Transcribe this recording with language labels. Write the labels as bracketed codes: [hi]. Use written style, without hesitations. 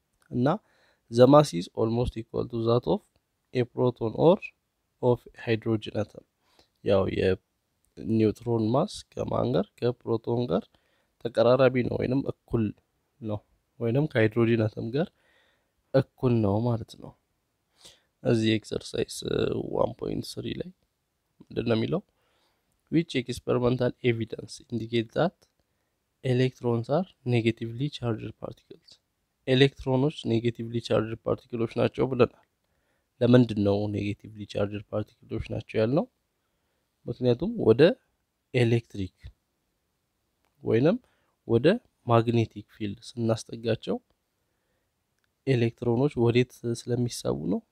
[en] እና ዘ ማስ ኢዝ ኦልሞስት ኢኳል ቱ ዛት ኦፍ ኤ ፕሮቶን ኦር ኦፍ ሃይድሮጅን አተም። [am] ያው የኒውትሮን ማስ ከማን ጋር? ከፕሮቶን ጋር ተቀራራቢ ነው ወይንም እኩል ነው ወይንም ከሃይድሮጂን አተም ጋር እኩል ነው ማለት ነው። እዚህ ኤክሰርሳይዝ 1.3 ላይ ምንድን ነው የሚለው? [en] which experimental evidence indicates that electrons are negatively charged particles? [am] ኤሌክትሮኖች ኔጌቲቭሊ ቻርጅድ ፓርቲክሎች ናቸው ብለናል። ለምንድን ነው ኔጌቲቭሊ ቻርጅድ ፓርቲክሎች ናቸው ያልነው? ምክንያቱም ወደ ኤሌክትሪክ ወይንም ወደ ማግኔቲክ ፊልድ ስናስጠጋቸው ኤሌክትሮኖች ወዴት ስለሚሳቡ ነው?